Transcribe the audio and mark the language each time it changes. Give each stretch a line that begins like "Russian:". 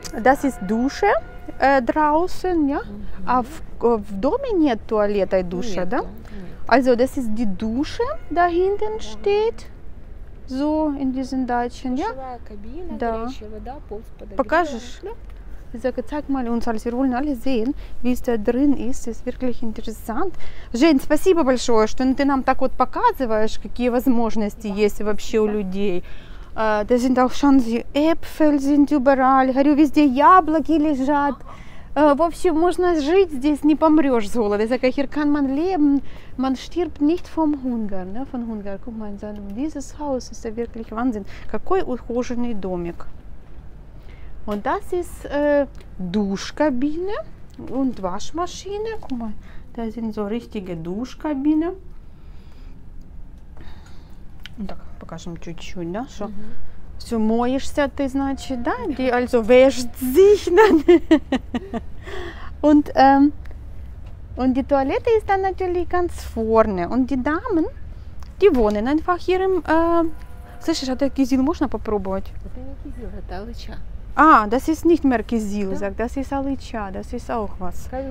German: Das ist Dusche draußen, ja?
Russian: А в доме нет туалета и душа, да?
German: Also, das ist die Dusche, da hinten steht. So, in diesen Dachen, ja?
Russian: Да. Покажешь?
German: Ich sage, zeig mal uns, also wir wollen alle sehen, wie es da drin ist. Das ist wirklich interessant.
Russian: Жень, спасибо большое, что ты нам так вот показываешь, какие возможности есть вообще у людей.
German: Da sind auch schon die Äpfel sind überall.
Russian: Ich говорю, везде яблоки лежат. В общем, можно жить здесь, не помрешь с голода.
German: Ich sage, hier kann man leben. Man stirbt nicht vom Hunger, ne? Von Hunger. Guck mal, dieses Haus ist wirklich Wahnsinn.
Russian: Какой ухоженный домик.
German: Und das ist Duschkabine und Waschmaschine. Guck mal, da sind so richtige Duschkabine. Und da
Russian: покажем чуть-чуть, да, что все моешься ты, значит, да?
German: Die also wäscht sich dann. Und die Toilette ist dann natürlich ganz vorne. Und die Damen, die wohnen einfach hier im.
Russian: Слышишь, это кизил можно попробовать? Это не кизил, это алыча.
German: Ah, das ist nicht mehr Kizil, sagt, das ist Alicja, das ist auch was.